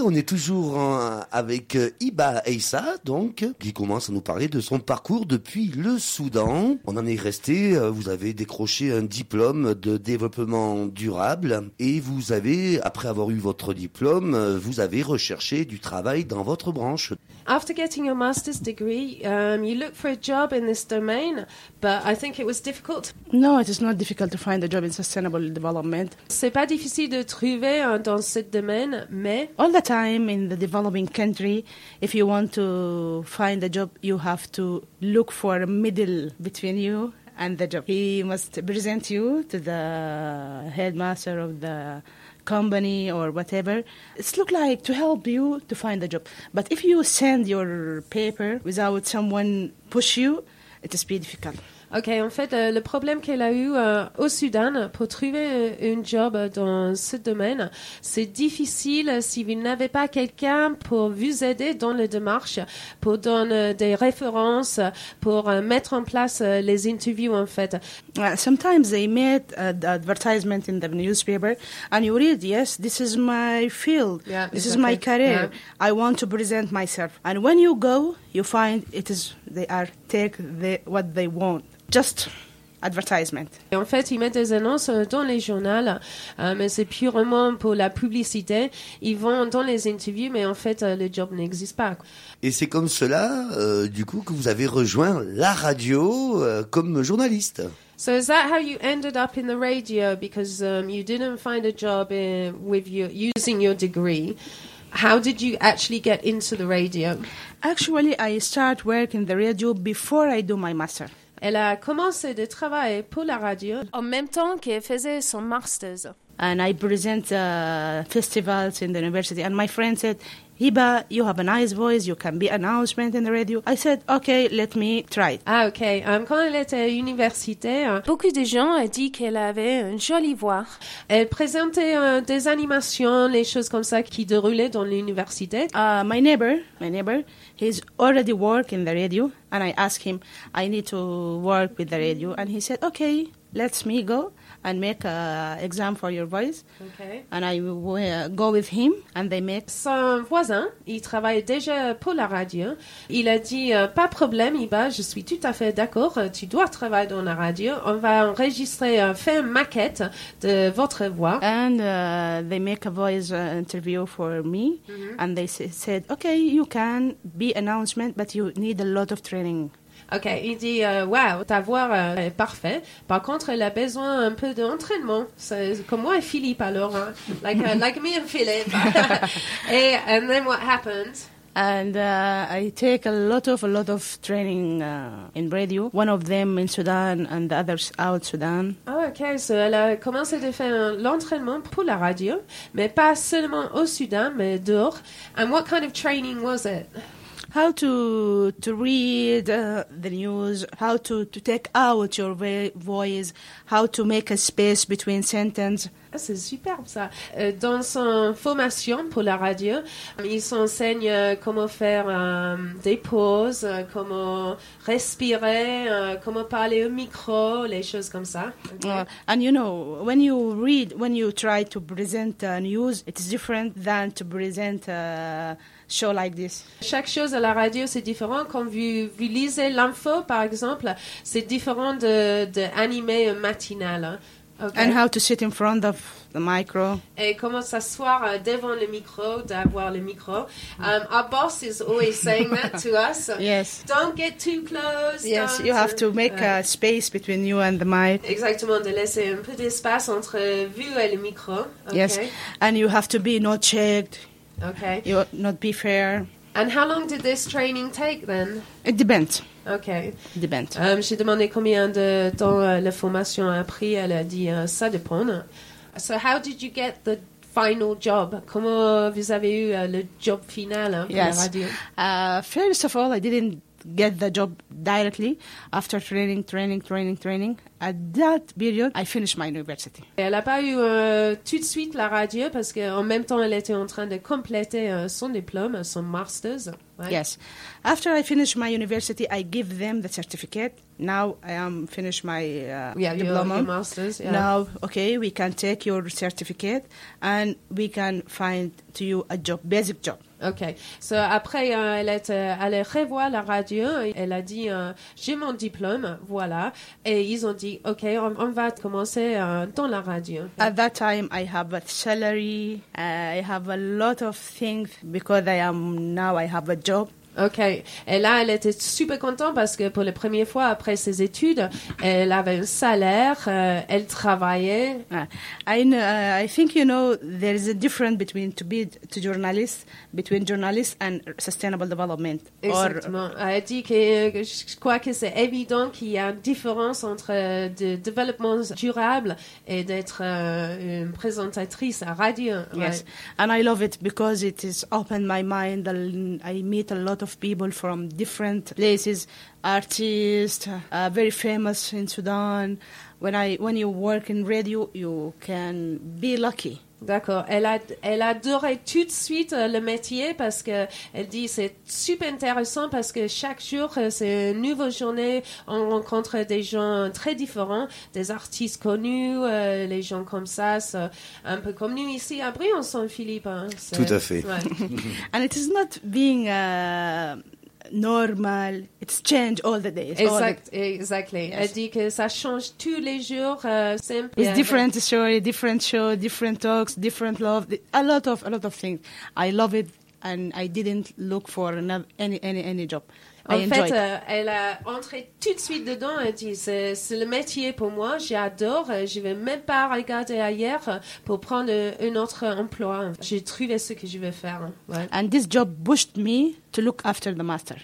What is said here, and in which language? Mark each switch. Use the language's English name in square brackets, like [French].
[French] On est toujours avec Iba Eissa, donc, qui commence à nous parler de son parcours depuis le Soudan. On en est resté, vous avez décroché un diplôme de développement durable et vous avez, après avoir eu votre diplôme, vous avez recherché du travail dans votre branche. [English] After getting your master's degree, you looked for a job in this domain, but I think it was difficult. No, it is not difficult to find a job in sustainable development. [French] C'est pas difficile de trouver dans ce domaine, mais... [English] All the time in the developing country, if you want to find a job, you have to look for a middle between you and the job. He must present you to the headmaster of the company or whatever. It's look like to help you to find a job. But if you send your paper without someone push you, it is pretty difficult. [French] Ok, en fait, le problème qu'elle a eu au Soudan pour trouver un job dans ce domaine, c'est difficile si vous n'avez pas quelqu'un pour vous aider dans les démarches, pour donner des références, pour mettre en place les interviews, en fait. [English] Sometimes they meet the advertisement in the newspaper and you read, yes, this is my field, yeah, this is okay. My career, yeah. I want to present myself. And when you go, you find it is they are take the, what they want. Just advertisement. [French] Et en fait, ils mettent des annonces dans les journaux, mais c'est purement pour la publicité. Ils vont dans les interviews, mais en fait, le job n'existe pas. Et c'est comme cela, du coup, que vous avez rejoint la radio comme journaliste. [English] So is that how you ended up in the radio? Because you didn't find a job in, with your, using your degree. How did you actually get into the radio? Actually, I start work in the radio before I do my master. [French] Elle a commencé de travailler pour la radio en même temps qu'elle faisait son master's. [English] And I present festivals in the university. And my friend said, Hiba, you have a nice voice, you can be announcement in the radio. I said, okay, let me try. Ah, okay. [French] Quand elle était à l'université, beaucoup de gens ont dit qu'elle avait une jolie voix. Elle présentait des animations, les choses comme ça qui déroulaient dans l'université. [English] My neighbor, he's already work in the radio. And I asked him, I need to work with the radio. And he said, okay, let me go and make an exam for your voice. Okay. And I will go with him and they make... [French] Son voisin, il travaille déjà pour la radio. Il a dit, pas problème, Iba, je suis tout à fait d'accord, tu dois travailler dans la radio. On va enregistrer, faire une maquette de votre voix. [English] And they make a voice interview for me. Mm-hmm. And they said, okay, you can be announcement, but you need a lot of training. [French] Ok, il dit, wow, ta voix est parfaite. Par contre, elle a besoin un peu d'entraînement. C'est comme moi et Philippe, alors. Hein. [English] Like me and Philippe. Et and then what happened? And I take a lot of training in radio. One of them in Sudan and the others out Sudan. [French] Oh, ok, so elle a commencé à faire l'entraînement pour la radio, mais pas seulement au Sudan, mais dehors. [English] And what kind of training was it? How to read the news, how to take out your voice, how to make a space between sentences. [French] Ah, c'est superbe ça. Dans son formation pour la radio, il s'enseigne comment faire des pauses, comment respirer, comment parler au micro, les choses comme ça. [English] Okay. And you know, when you read, when you try to present news, it's different than to present show like this. [French] Chaque chose à la radio, c'est différent. Quand vous lisez l'info, par exemple, c'est différent de animer un matinal. Hein. [English] Okay. And how to sit in front of the micro. [French] Et comment s'asseoir devant le micro, d'avoir le micro. [English] Our boss is always saying that to us. Yes. Don't get too close. Yes, you have to make a space between you and the mic. [French] Exactement, de laisser un peu d'espace entre vous et le micro. [English] Okay. Yes, and you have to be not checked. Okay. You not be fair. And how long did this training take then? It depends. Okay. It depends. [French] J'ai demandé combien de temps la formation a pris. Elle a dit ça dépend. [English] So how did you get the final job? [French] Comment vous avez eu le job final pour [English] yes. [French] la radio? [English] First of all, I didn't get the job directly after training. At that period, I finished my university. [French] Elle n'a pas eu tout de suite la radio parce qu'en même temps, elle était en train de compléter son diplôme, son master's. [English] Right? Yes. After I finished my university, I give them the certificate. Now I am finished my diploma. Your master's, yeah. Now, okay, we can take your certificate and we can find to you a job, basic job. Ok. [French] So après, elle est allée revoir la radio. Elle a dit, j'ai mon diplôme, voilà. Et ils ont dit, ok, on va commencer dans la radio. [English] At that time, I have a salary. I have a lot of things because I am now I have a job. OK. [French] Et là, elle était super contente parce que pour la première fois après ses études, elle avait un salaire, elle travaillait. [English] I think you know there is a difference between to be to journalist, between journalist and sustainable development. [French] Exactement. Elle dit que je crois que c'est évident qu'il y a une différence entre de développement durable et d'être une présentatrice à radio. [English] Yes. Right. And I love it because it has opened my mind. I meet a lot of people from different places, artists, very famous in Sudan. When you work in radio, you can be lucky. [French] D'accord. Elle adorait tout de suite le métier parce que elle dit c'est super intéressant parce que chaque jour c'est une nouvelle journée. On rencontre des gens très différents, des artistes connus, les gens comme ça, c'est un peu comme nous ici à Brion, Saint-Philippe. Hein. Tout à fait. [English] Ouais. And it is not being normal. It's change all the days. Exactly. Yes. [French] Elle dit que ça change tous les jours. [English] Simple. It's different story, different show, different talks, different love. A lot of things. I love it, and I didn't look for any job. [French] Elle a entré tout de suite dedans. Elle dit c'est le métier pour moi. J'adore. Je vais même pas regarder ailleurs pour prendre un autre emploi. J'ai trouvé ce que je veux faire. Ouais. [English] And this job pushed me to look after the master.